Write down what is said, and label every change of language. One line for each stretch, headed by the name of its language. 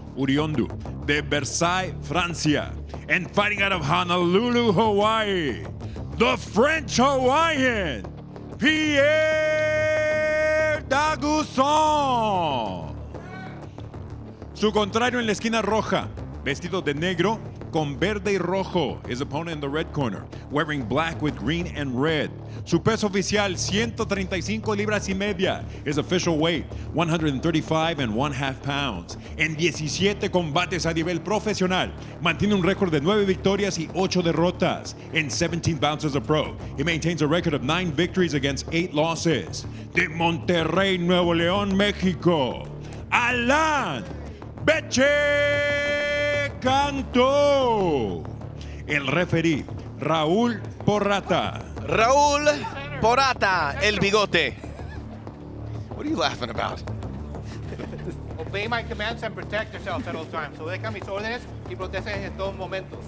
Spanish: Oriundo de Versailles, Francia.
English: And fighting out of Honolulu, Hawaii, the French Hawaiian, Pierre Daguzan.
Spanish: Su contrario en la esquina roja, vestido de negro con verde y rojo.
English: His opponent in the red corner, wearing black with green and red.
Spanish: Su peso oficial, 135 libras y media.
English: His official weight, 135 and 1/2 pounds.
Spanish: En 17 combates a nivel profesional, mantiene un récord de 9 victorias y 8 derrotas.
English: In 17 bouts as a pro, he maintains a record of 9 victories against 8 losses.
Spanish: De Monterrey, Nuevo León, México, Alan Betche Cantu. El referee, Raúl Porrata. Raúl Porrata, el bigote.
English: What are you laughing about? Obey my commands and protect yourself at all times.
Spanish: So deja mis órdenes y protege en todos momentos.